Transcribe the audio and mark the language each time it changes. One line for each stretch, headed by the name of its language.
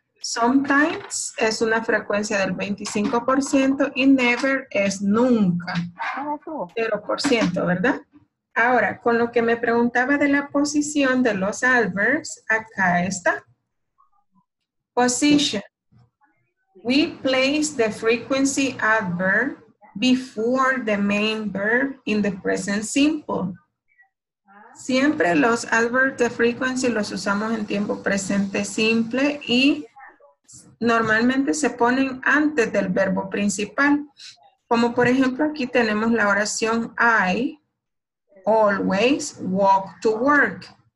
English: Sometimes
Spanish: es una frecuencia del 25%.
English: Y never
Spanish: es nunca. 0%, ¿verdad? Ahora, con lo que me preguntaba de la posición de los
English: adverbs,
Spanish: acá está. Position.
English: We place the frequency adverb before the main verb in the present simple.
Spanish: Siempre los
English: adverbs de frequency
Spanish: los usamos en tiempo presente simple y normalmente se ponen antes del verbo principal. Como por ejemplo aquí tenemos la oración
English: I always walk to work.